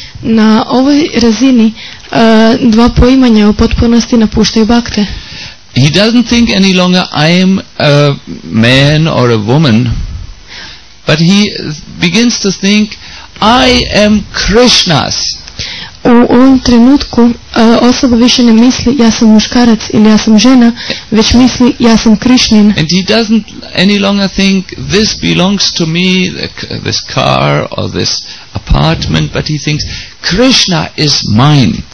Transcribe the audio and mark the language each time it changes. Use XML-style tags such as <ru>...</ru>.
<hr>Na ovoj razini dva poimanja u potpunosti napuštaju bhakte.</hr> <en>He doesn't think any longer I am a man or a woman, but he begins to think I am Krishna's.</en> <hr>U ovom trenutku osoba više ne misli ja sam muškarac ili ja sam žena, već misli ja sam Krišnin.</hr> <en>And he doesn't any longer think this belongs to me, this car or this apartment, but he thinks Krishna is mine.</en>